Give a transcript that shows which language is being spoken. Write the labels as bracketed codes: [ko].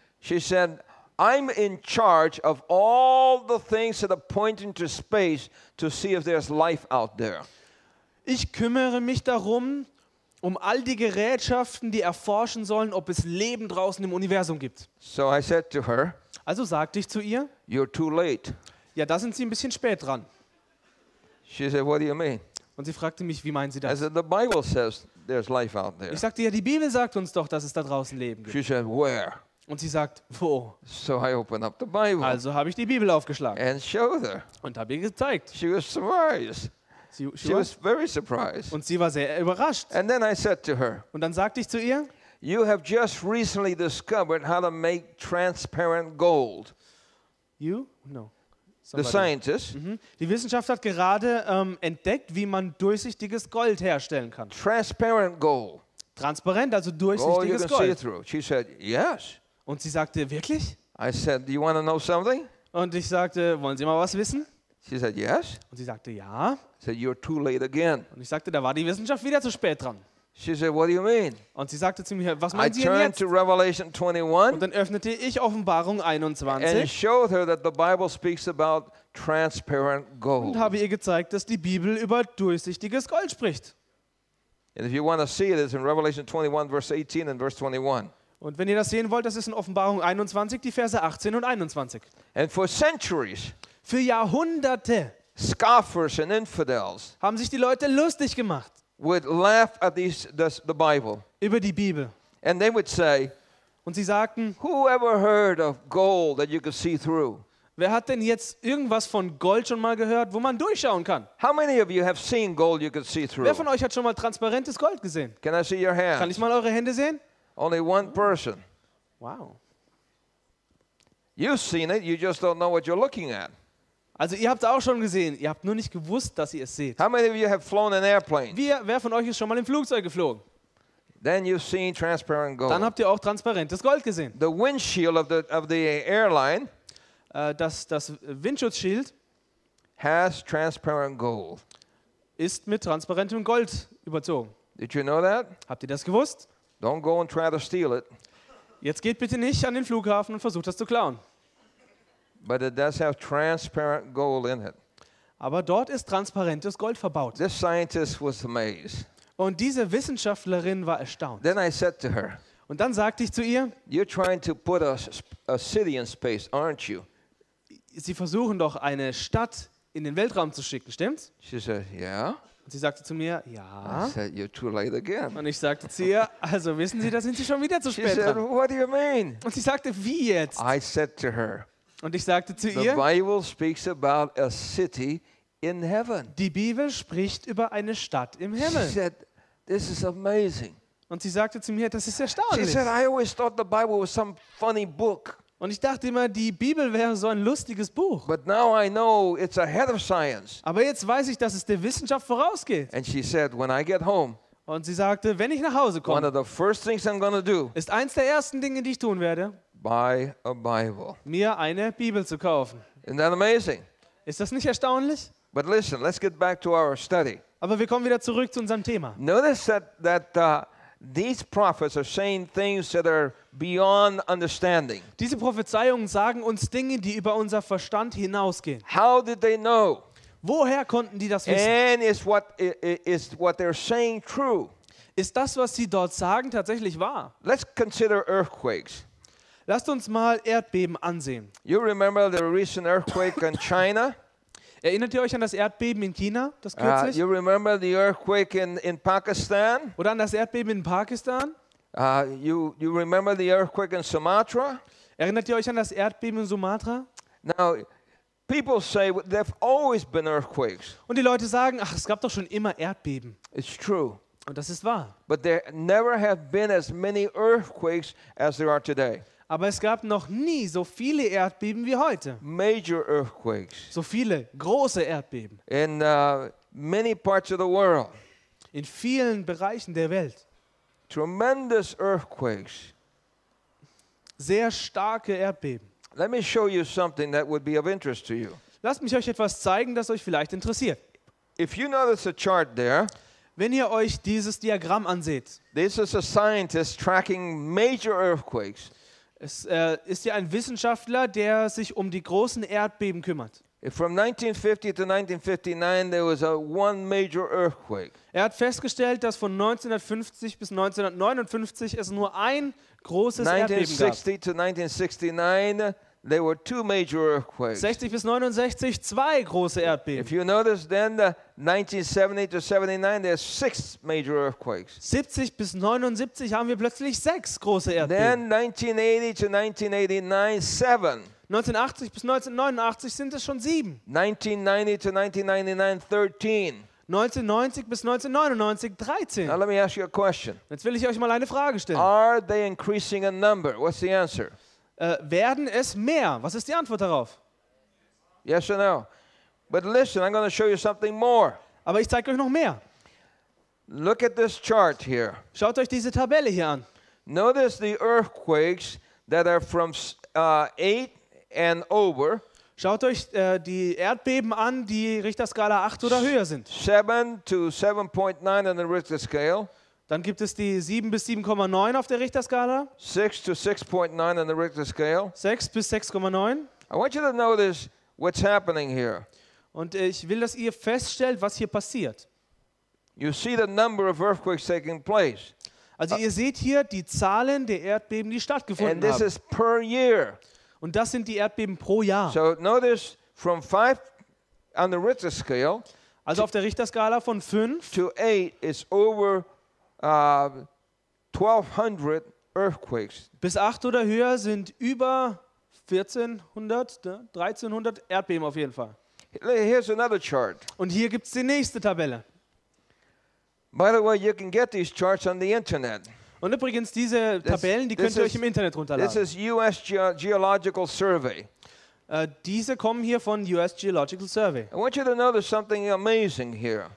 [en] She said, I'm in charge of all the things that are pointing to space to see if there's life out there. [de] Ich kümmere mich darum, um all die Gerätschaften, die erforschen sollen, ob es Leben draußen im Universum gibt. [en] So I said to her, [de] also sagte ich zu ihr, [en] you're too late. [de] Ja, da sind Sie ein bisschen spät dran. [en] She said, what do you mean? [de] Und sie fragte mich, wie meinen Sie das? [en] I said, the Bible says there's life out there. [de] Ich sagte, ja, die Bibel sagt uns doch, dass es da draußen Leben gibt. [en] She said, where? [de] Und sie sagt, wo? [en] So I opened up the Bible. [de] Also habe ich die Bibel aufgeschlagen. [en] And showed her. [de] Und habe ihr gezeigt. [en] She was surprised. She was very surprised. [de] Und sie war sehr überrascht. [en] And then I said to her, [de] und dann sagte ich zu ihr, [en] you have just recently discovered how to make transparent gold. You? No. Somebody. The scientist. Mm-hmm. [de] Die Wissenschaft hat gerade entdeckt, wie man durchsichtiges Gold herstellen kann. [en] Transparent gold. [de] Transparent, also durchsichtiges Gold. [en] See it through. She said, yes. [de] Und sie sagte, wirklich? [en] I said, do you want to know something? [de] Und ich sagte, wollen Sie mal was wissen? [en] She said, yes. [de] Und sie sagte, ja. [en] I said, you're too late again. [de] Und ich sagte, da war die Wissenschaft wieder zu spät dran. [en] She said, what do you mean? [de] Und sie sagte zu mir, was meinen Sie denn jetzt? [en] To Revelation 21, [de] und dann öffnete ich Offenbarung 21. [en] And showed her that the Bible speaks about transparent gold. [de] Und habe ihr gezeigt, dass die Bibel über durchsichtiges Gold spricht. [en] And if you want to see it, it's in Revelation 21, verse 18 and verse 21. [de] Und wenn ihr das sehen wollt, das ist in Offenbarung 21, die Verse 18 und 21. [en] And for centuries, [de] für Jahrhunderte, [en] scoffers and infidels, [de] haben sich die Leute lustig gemacht, [en] would laugh at the Bible, [de] über die Bibel. [en] And they would say, [de] und sie sagten, [en] who ever heard of gold that you could see through? [de] Wer hat denn jetzt irgendwas von Gold schon mal gehört, wo man durchschauen kann? [en] How many of you have seen gold you can see through? [de] Wer von euch hat schon mal transparentes Gold gesehen? [en] Can I see your hands? [de] Kann ich mal eure Hände sehen? [en] Only one person. Wow. You've seen it, you just don't know what you're looking at. [de] Also ihr habt auch schon gesehen, ihr habt nur nicht gewusst, dass ihr es seht. [en] How many of you have flown an airplane? [de] Wer von euch ist schon mal im Flugzeug geflogen? [en] Then you've seen transparent gold. [de] Dann habt ihr auch transparentes Gold gesehen. [en] The windshield of the airline. [de] Das Windschutzschild [en] has transparent gold. [de] Ist mit transparentem Gold überzogen. [en] Did you know that? [de] Habt ihr das gewusst? [en] Don't go and try to steal it. [de] Jetzt geht bitte nicht an den Flughafen und versucht das zu klauen. [en] But it does have transparent gold in it. [de] Aber dort ist transparentes Gold verbaut. [en] This scientist was amazed. [de] Und diese Wissenschaftlerin war erstaunt. [en] Then I said to her, [de] und dann sagte ich zu ihr, [en] you're trying to put a city in space, aren't you? [de] Sie versuchen doch, eine Stadt in den Weltraum zu schicken, stimmt's? [en] She said, yeah. [de] Und sie sagte zu mir, ja. [en] I said, you're too late again. [de] Und ich sagte zu ihr, also wissen Sie, da sind Sie schon wieder zu spät dran. [en] She said, what do you mean? [de] Und sie sagte, wie jetzt? [en] I said to her, [de] Und ich sagte zu ihr, [en] the Bible speaks about a city in heaven. [de] Die Bibel spricht über eine Stadt im Himmel. [en] She said, this is amazing. [de] Und sie sagte zu mir, das ist erstaunlich. [en] She said, I always thought the Bible was some funny book. [de] Und ich dachte immer, die Bibel wäre so ein lustiges Buch. [en] But now I know it's ahead of science. [de] Aber jetzt weiß ich, dass es der Wissenschaft vorausgeht. [en] And she said, when I get home, [de] und sie sagte, wenn ich nach Hause komme, [en] one of the first things I'm gonna do, [de] ist eins der ersten Dinge, die ich tun werde, [en] buy a Bible. [de] Mir eine Bibel zu kaufen. [en] Isn't that amazing? [de] Ist das nicht erstaunlich? [en] But listen, let's get back to our study. [de] Aber wir kommen wieder zurück zu unserem Thema. [en] Notice that these prophets are saying things that are beyond understanding. [de] Diese Prophezeiungen sagen uns Dinge, die über unser Verstand hinausgehen. [en] How did they know? [de] Woher konnten die das wissen? [en] And is what they're saying true? [de] Ist das, was sie dort sagen, tatsächlich wahr? [en] Let's consider earthquakes. [de] Lasst uns mal Erdbeben ansehen. [en] You remember the recent earthquake in China? [de] Erinnert ihr euch an das Erdbeben in China, das kürzlich? [en] You remember the earthquake in Pakistan? [de] Oder an das Erdbeben in Pakistan? [en] You remember the earthquake in Sumatra? [de] Erinnert ihr euch an das Erdbeben in Sumatra? [en] Now, people say there have always been earthquakes. [de] Und die Leute sagen, ach, es gab doch schon immer Erdbeben. [en] It's true. [de] Und das ist wahr. [en] But there never have been as many earthquakes as there are today. [de] Aber es gab noch nie so viele Erdbeben wie heute. [en] Major earthquakes. [de] So viele große Erdbeben. [en] In many parts of the world. [de] In vielen Bereichen der Welt. [en] Tremendous earthquakes. [de] Sehr starke Erdbeben. [en] Let me show you something that would be of interest to you. [de] Lasst mich euch etwas zeigen, das euch vielleicht interessiert. [en] If you notice a chart there. [de] Wenn ihr euch dieses Diagramm anseht. [en] This is a scientist tracking major earthquakes. [de] Es ist ja ein Wissenschaftler, der sich um die großen Erdbeben kümmert. [en] From 1950 to 1959 there was one major earthquake. [de] Er hat festgestellt, dass von 1950 bis 1959 es nur ein großes Erdbeben gab. [en] 1960 to 1969 there were two major earthquakes. [de] 60 bis 69 zwei große Erdbeben. [en] If you notice then the 1970 to 79 there's six major earthquakes. [de] 70 bis 79 haben wir plötzlich sechs große Erdbeben. [en] Then 1980 to 1989 seven. [de] 1980 bis 1989 sind es schon sieben. [en] 1990 to 1999 13. [de] 1990 bis 1999 13. [en] Now let me ask you a question. [de] Jetzt will ich euch mal eine Frage stellen. [en] Are they increasing in number? What's the answer? [de] Werden es mehr? Was ist die Antwort darauf? [en] Yes or no? But listen, I'm going to show you something more. [de] Aber ich zeige euch noch mehr. [en] Look at this chart here. [de] Schaut euch diese Tabelle hier an. [en] Notice the earthquakes that are from 8 and over. [de] Schaut euch die Erdbeben an, die Richterskala 8 oder höher sind. [en] 7 to 7.9 on the Richter scale. [de] Dann gibt es die 7 bis 7,9 auf der Richterskala. [en] 6 to 6.9 on the Richter scale. [de] 6 bis 6,9. [en] I want you to notice what's happening here. [de] Und ich will, dass ihr feststellt, was hier passiert. [en] You see the number of earthquakes taking place. [de] Also ihr seht hier die Zahlen der Erdbeben, die stattgefunden haben. [en] And this is per year. [de] Und das sind die Erdbeben pro Jahr. [en] So notice from 5 on the Richter scale. [de] Also auf der Richterskala von 5 [en] to 8 is over 1200 earthquakes. [de] Bis 8 oder höher sind über 1300 Erdbeben auf jeden Fall. [en] Here's another chart. [de] Und hier gibt's die nächste Tabelle. [en] By the way, you can get these charts on the internet. [de] Und übrigens, diese Tabellen, die könnt ihr euch im Internet runterladen. [en] This is US Geological Survey. [de] Diese kommen hier von US Geological Survey. [en] I want you to notice something amazing here.